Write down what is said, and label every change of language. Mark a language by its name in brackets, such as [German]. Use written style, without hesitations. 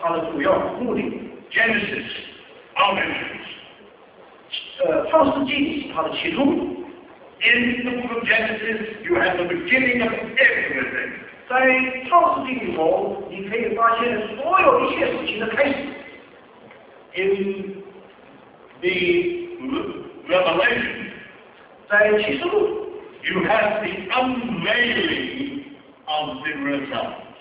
[Chinese] 我们可以把整个圣经分成三大部分，第一个部分是讲到起初，第二个部分是讲到它的过程，最后一个部分是讲到它的主要目的。Genesis, [English] origins. [Chinese] 创世纪是它的起初。 [English] In the book of Genesis, you have the beginning of everything. [Chinese] 在创世纪里头，你可以发现所有一切事情的开始。 [English] In the revelation. [Chinese] 在启示录, [English] you have the unveiling of the results.